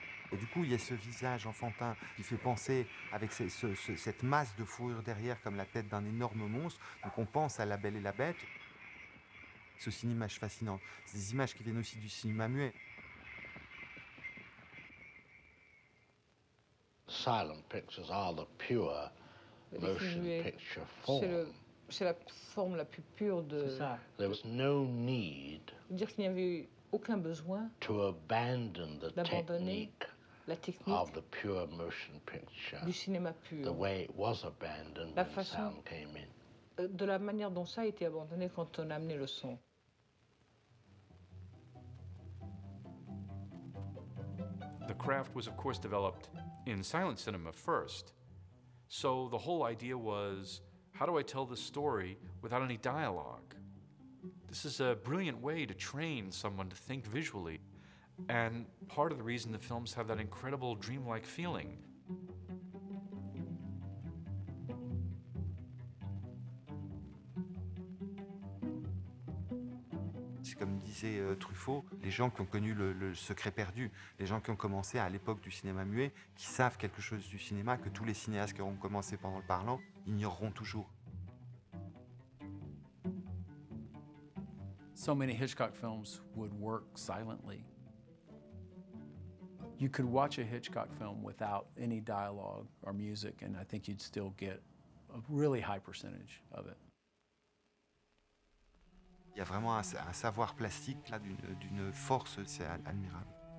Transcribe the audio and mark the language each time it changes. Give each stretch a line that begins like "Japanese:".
French: Et du coup, il y a ce visage enfantin qui fait penser, avec cette masse de fourrure derrière, comme la tête d'un énorme monstre. Donc on pense à La Belle et la Bête. C'est une image fascinante. C'est des images qui viennent aussi du cinéma muet.
English: Silent pictures are the pure motion picture form.
French: C'est la forme la plus pure de. C'est ça.
English: There was no need.
French: Dire qu'il n'y avait aucun besoin.
English: To abandon the technique.
French: La technique.
English: Of the pure motion picture.
French: Du cinéma pur.
English: The way it was abandoned
French: la
English: when
French: façon,
English: sound came in.
French: De la manière dont ça a été abandonné quand on a amené le son.
English: The craft was of course developed in silent cinema first. So the whole idea was, how do I tell the story without any dialogue. This is a brilliant way to train someone to think visually, and part of the reason the films have that incredible dreamlike feeling.
French: Comme disait Truffaut, les gens qui ont connu le secret perdu, les gens qui ont commencé à l'époque du cinéma muet, qui savent quelque chose du cinéma, que tous les cinéastes qui auront commencé pendant le parlant ignoreront toujours.
English: So many Hitchcock films would work silently. You could watch a Hitchcock film without any dialogue or music, and I think you'd still get a really high percentage of it.
French: Il y a vraiment un savoir plastique là, d'une force, c'est admirable.